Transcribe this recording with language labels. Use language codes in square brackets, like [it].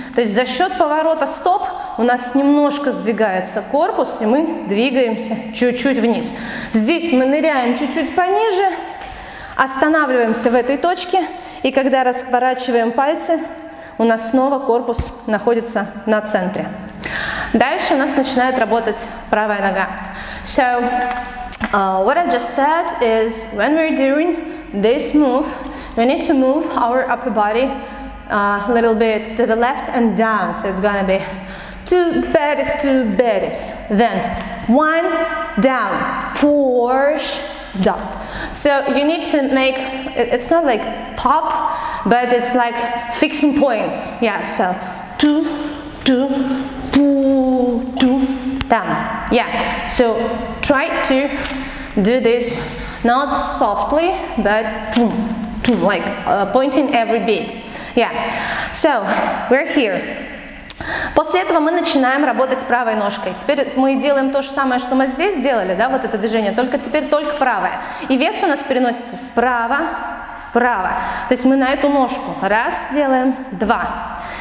[ru] То есть за счет поворота стоп у нас немножко сдвигается корпус, и мы двигаемся чуть-чуть вниз. Здесь мы ныряем чуть-чуть пониже, останавливаемся в этой точке, и когда разворачиваем пальцы, у нас снова корпус находится на центре. Дальше у нас начинает работать правая нога. [en] So, what I just said is, when we're doing this move, we need to move our upper body a little bit to the left and down. So it's gonna be two baddies, two baddies. Then one down, push down. So you need to make, it's not like pop, but it's like fixing points. Yeah, so two, two, two, down. Yeah, so try to do this not softly, but like pointing every beat. Yeah, so we're here. [ru] После этого мы начинаем работать правой ножкой. Теперь мы делаем то же самое, что мы здесь делали, да, вот это движение, только теперь только правое. И вес у нас переносится вправо, вправо. То есть мы на эту ножку раз делаем, два.